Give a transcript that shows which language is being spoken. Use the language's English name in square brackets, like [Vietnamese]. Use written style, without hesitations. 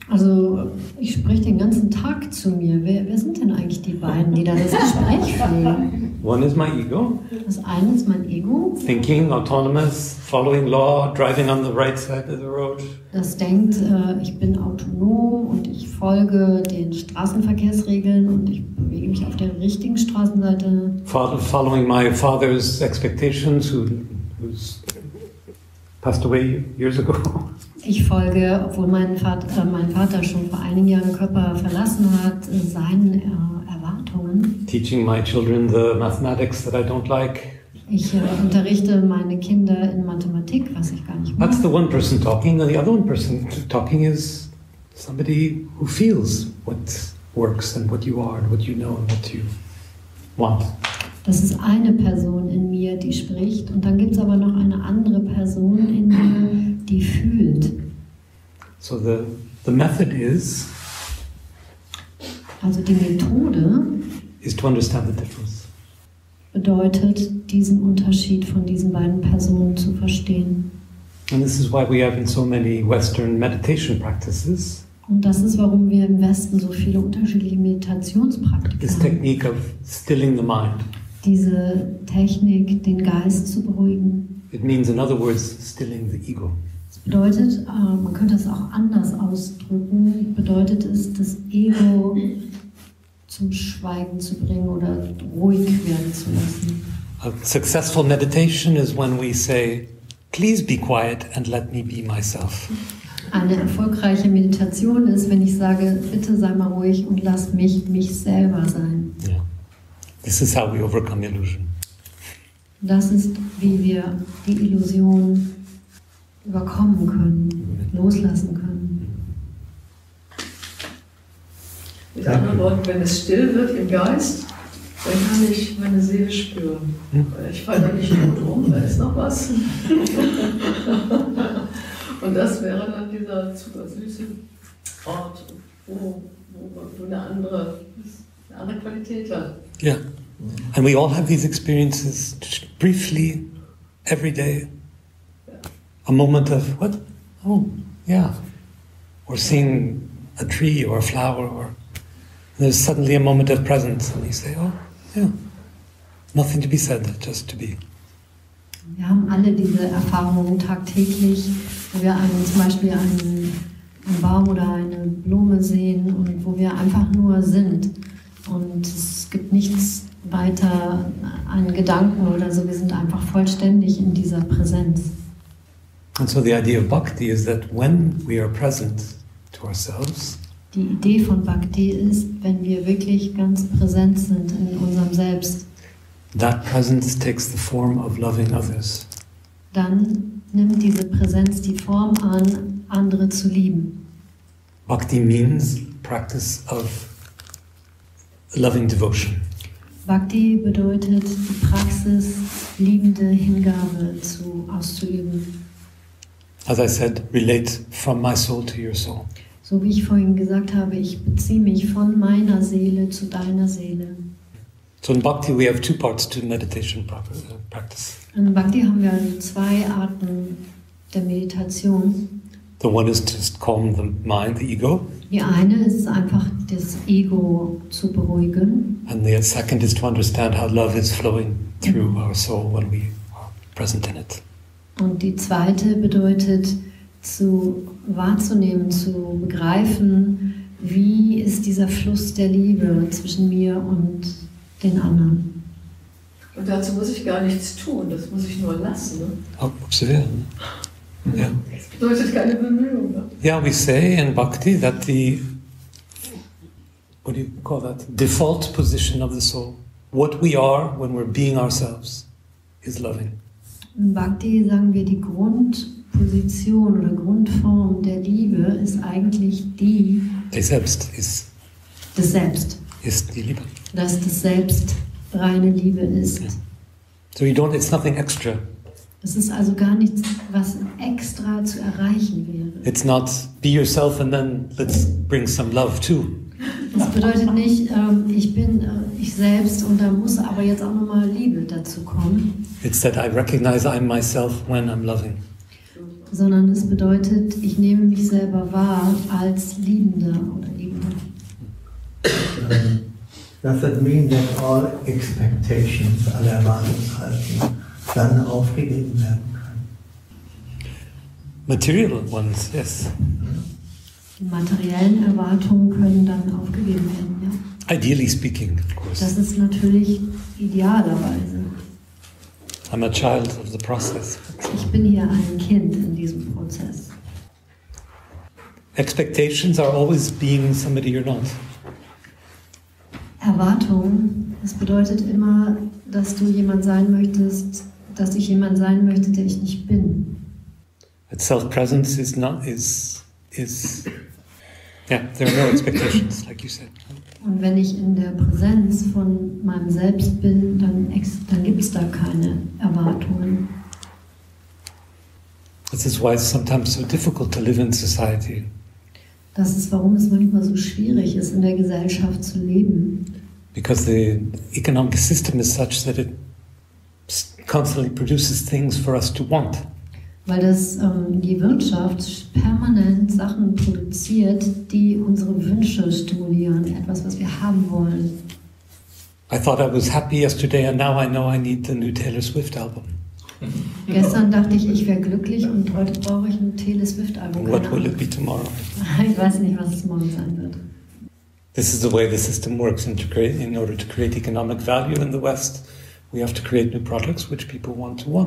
[German] Also, ich spreche den ganzen Tag zu mir. Wer sind denn eigentlich die beiden, die da das Gespräch führen? [English] One is my ego. [German] Das eine ist mein Ego. [English] Thinking, autonomous, following law, driving on the right side of the road. [German] Das denkt, ich bin autonom und ich folge den Straßenverkehrsregeln und ich bewege mich auf der richtigen Straßenseite. [English] Following my father's expectations, who's passed away years ago. [German] Ich folge, obwohl mein Vater schon vor einigen Jahren Körper verlassen hat, seinen Erwartungen. [English] Teaching my children the mathematics that I don't like. [German] Ich unterrichte meine Kinder in Mathematik, was ich gar nicht mag. [English] That's the one person talking, and the other one person talking is somebody who feels what works and what you are and what you know and what you want. [German] Das ist eine Person in mir, die spricht, und dann gibt's aber noch eine andere Person in mir, die fühlt. [English] So the method is. [German] Also die Methode. [English] Is to understand the difference. [German] Bedeutet, diesen Unterschied von diesen beiden Personen zu verstehen. [English] And this is why we have in so many Western meditation practices. [German] Und das ist, warum wir im Westen so viele unterschiedliche Meditationspraktiken haben. [English] This technique of stilling the mind. [German] Diese Technik, den Geist zu beruhigen. [English] It means, in other words, stilling the ego. [German] Das bedeutet, man könnte es auch anders ausdrücken, bedeutet es, das Ego zum Schweigen zu bringen oder ruhig werden zu lassen. [English] A successful meditation is when we say, please be quiet and let me be myself. [German] Eine erfolgreiche Meditation ist, wenn ich sage, bitte sei mal ruhig und lass mich selber sein. [English] This is how we overcome illusion. [German] Das ist, wie wir die Illusion überkommen können, loslassen können. Mit anderen Worten, wenn es still wird im Geist, dann kann ich meine Seele spüren. Ich falle nicht gut rum, da ist noch was. Und das wäre dann dieser super süße Ort, wo eine andere Qualität hat. Ja. Yeah. [English] And we all have these experiences briefly, every day. A moment of, what? Oh, yeah. Or seeing a tree or a flower. And there's suddenly a moment of presence. And you say, oh, yeah. Nothing to be said, just to be. [German] Wir haben alle diese Erfahrungen tagtäglich, wo wir zum Beispiel einen Baum oder eine Blume sehen und wo wir einfach nur sind. Und es gibt nichts weiter an Gedanken oder so, wir sind einfach vollständig in dieser Präsenz. [English] And so the idea of Bhakti is that when we are present to ourselves, [German] die Idee von Bhakti ist, wenn wir wirklich ganz präsent sind in unserem Selbst, [English] that presence takes the form of loving others. [German] Dann nimmt diese Präsenz die Form an, andere zu lieben. [English] Bhakti means practice of loving devotion. [German] Bhakti bedeutet die Praxis, liebende Hingabe auszuüben. [English] As I said, relate from my soul to your soul. [German] So wie ich vorhin gesagt habe, ich beziehe mich von meiner Seele zu deiner Seele. [English] So in Bhakti we have two parts to meditation practice. [German] In Bhakti haben wir zwei Arten der Meditation. [English] The one is to just calm the mind, the ego. [German] Die eine ist einfach das Ego zu beruhigen. [English] And the second is to understand how love is flowing through our soul when we are present in it. [German] Und die zweite bedeutet zu wahrzunehmen, zu begreifen, wie ist dieser Fluss der Liebe zwischen mir und den anderen. Und dazu muss ich gar nichts tun, das muss ich nur lassen. Observieren. Yeah. [English] Yeah, we say in Bhakti that the, what do you call that, default position of the soul, what we are when we're being ourselves, is loving. [German] In Bhakti sagen wir, die Grundposition oder Grundform der Liebe ist eigentlich die. Der Selbst ist. Das Selbst. Ist die Liebe. Dass das Selbst reine Liebe ist. Yeah. [English] So you don't, it's nothing extra. [German] Es ist also gar nichts, was extra zu erreichen wäre. [English] It's not be yourself and then let's bring some love too. [German] Das bedeutet nicht, ich bin ich selbst und da muss aber jetzt auch noch mal Liebe dazu kommen. [English] It's that I recognize I'm myself when I'm loving. [German] Sondern es bedeutet, ich nehme mich selber wahr als Liebender oder Liebende. [English] Does that mean that all expectations, [German] alle Erwartungshaltungen, dann aufgegeben werden können? [English] Material ones, yes. [German] Die materiellen Erwartungen können dann aufgegeben werden, ja. [English] Ideally speaking, of course. [German] Das ist natürlich idealerweise. [English] I'm a child of the process. [German] Ich bin hier ein Kind in diesem Prozess. [English] Expectations are always being somebody you're not. [German] Erwartung, das bedeutet immer, dass du jemand sein möchtest, dass ich jemand sein möchte, der ich nicht bin. [English] But self-presence is not, is, yeah, there are no expectations, like you said. [German] Und wenn ich in der Präsenz von meinem Selbst bin, dann gibt es da keine Erwartungen. [English] This is why it's sometimes so difficult to live in society. [German] Das ist, warum es manchmal so schwierig ist, in der Gesellschaft zu leben. [English] Because the economic system is such that it constantly produces things for us to want. [German] Weil das die Wirtschaft permanent Sachen produziert, die unsere Wünsche stimulieren, etwas, was wir haben wollen. [English] I thought I was happy yesterday and now I know I need the new Taylor Swift album. [German] Gestern dachte ich, ich wäre glücklich und heute brauche ich ein Taylor Swift Album. [English] What will it be tomorrow? [German] Ich weiß nicht, was es morgen sein wird. [English] This is the way the system works in order to create economic value in the West. We have to create new products which people want.